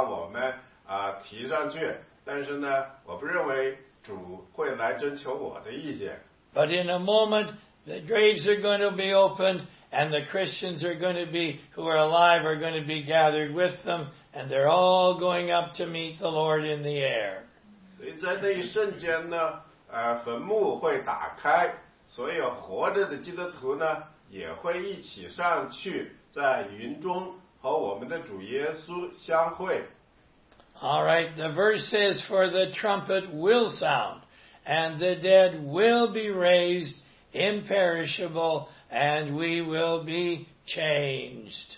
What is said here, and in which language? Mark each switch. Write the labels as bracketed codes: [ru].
[zh] 所以呢，我不知道，那个是主是以那种方式把我们提上去。但是呢，我不认为主会来征求我的意见。 [en] But in a moment, the graves are going to be opened, and the Christians are going to be who are alive are going to be gathered with them, and they're all going up to meet the Lord in the air. [zh] 所以在那一瞬间呢，坟墓会打开，所有活着的基督徒呢也会一起上去，在云中和我们的主耶稣相会。 [en] All right, the verse says, for the trumpet will sound, and the dead will be raised imperishable, and we will be changed.